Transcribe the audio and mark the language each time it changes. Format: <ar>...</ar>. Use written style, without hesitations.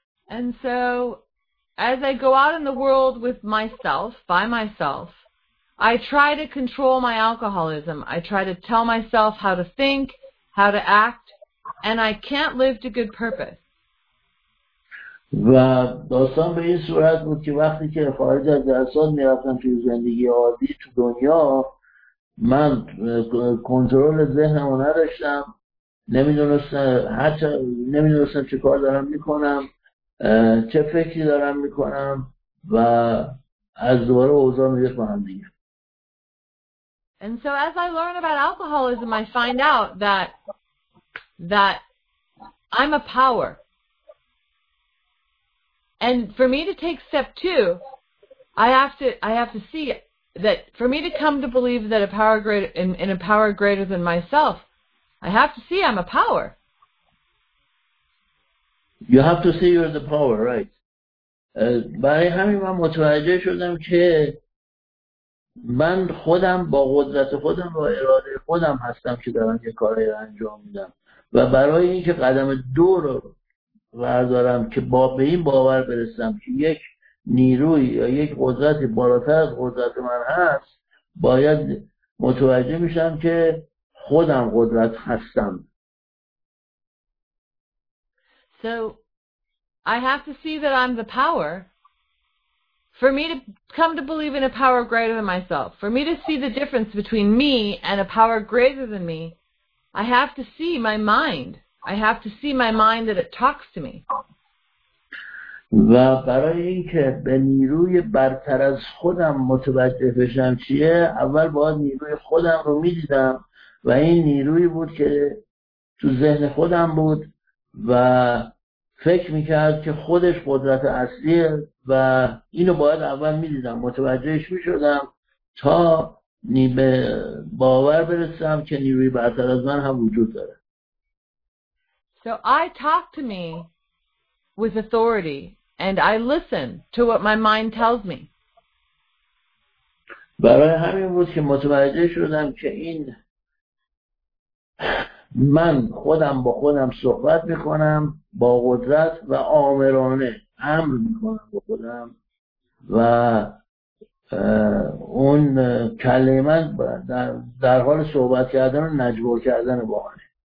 <en>And so as I go out in the world with myself, by myself, I try to control my alcoholism. I try to tell myself how to think, how to act, and I can't live to good purpose.</en> <fa>و داستان به این صورت بود که وقتی که خارج از درسات می‌رفتم توی زندگی عادی تو دنیا، من کنترل ذهنم رو نداشتم، نمی‌دونستم چه کار دارم می‌کنم، چه فکری دارم می‌کنم و از دوباره اوضاع می‌گرفت با هم دیگه.</fa> <en>And so as I learn about alcoholism, I find out that I'm a power. And for me to take step two, I have to see that for me to come to believe that a power greater in a power greater than myself, I have to see I'm a power. You have to see you're the power, right?</en> <fa>برای همین من متوجه شدم که من خودم با قدرت خودم و اراده خودم هستم که دارم یه کاری رو انجام میدم و برای اینکه قدم دو رو بردارم که با به این باور برسم که یک نیروی یا یک قدرت بالاتر از قدرت من هست، باید متوجه میشم که خودم قدرت هستم.</fa> <en>So I have to see that I'm the power. For me to come to believe in a power greater than myself, for me to see the difference between me and a power greater than me, I have to see my mind. I have to see my mind that it talks to me.</en> <fa>و برای اینکه به نیروی برتر از خودم متوجه بشم چیه، اول باید نیروی خودم رو می‌دیدم و این نیرویی بود که تو ذهن خودم بود و فکر می‌کرد که خودش قدرت اصلیه و اینو باید اول می‌دیدم، متوجهش می‌شدم تا به باور برسم که نیروی برتر از من هم وجود داره.</fa> <en>So I talk to me with authority and I listen to what my mind tells me.</en> <fa>برای همین بود که متوجه شدم که این من خودم با خودم صحبت می‌کنم با قدرت و آمرانه امر می‌کنم با خودم و اون کلمات در حال صحبت کردن و نجوا کردن با من.</fa>